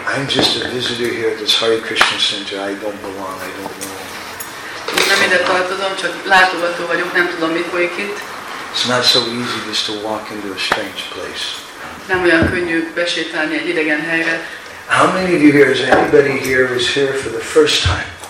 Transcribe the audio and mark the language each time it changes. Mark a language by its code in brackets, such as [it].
[en] I'm just a visitor here at this Hare Krishna Center. I don't belong, I don't know. [hu] Nem ide tartozom, csak látogató vagyok, nem tudom, mit folyik itt. [en] It's not so easy just to walk into a strange place. [hu] Nem olyan könnyű besétálni egy idegen helyre. [en] How many of you here, is anybody here who's here for the first time?